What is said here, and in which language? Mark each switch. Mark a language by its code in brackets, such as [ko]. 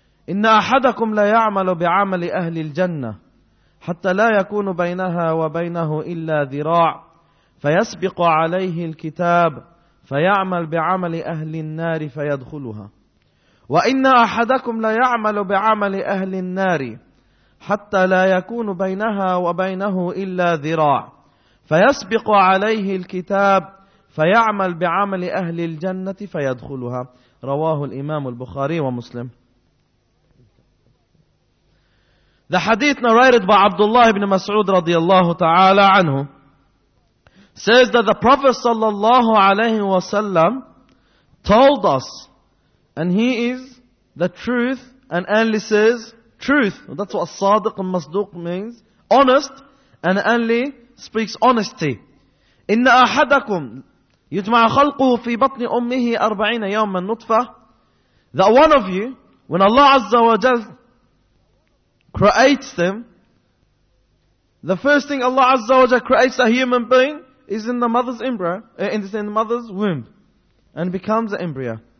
[ar] إن أحدكم لا يعمل بعمل أهل الجنة حتى لا يكون بينها وبينه إلا ذراع فيسبق عليه الكتاب فيعمل بعمل أهل النار فيدخلها وإن أحدكم لا يعمل بعمل أهل النار حتى لا يكون بينها وبينه إلا ذراع فيسبق عليه الكتاب فيعمل بعمل أهل الجنة فيدخلها رواه الإمام البخاري ومسلم. [en] The hadith narrated by Abdullah ibn Mas'ud radiallahu ta'ala anhu says that the Prophet sallallahu alayhi wa sallam told us, and he is the truth, and only says truth. That's what sadiq and masduq means, honest, and only speaks honesty. [ar] Inna ahadakum يجمع خلقه في بطن أمه 40 يوما نطفة. [en] That one of you, when Allah Azza wa Jal creates them, the first thing Allah Azza wa Jal creates a human being is in the mother's embryo, in the mother's womb, and becomes an embryo.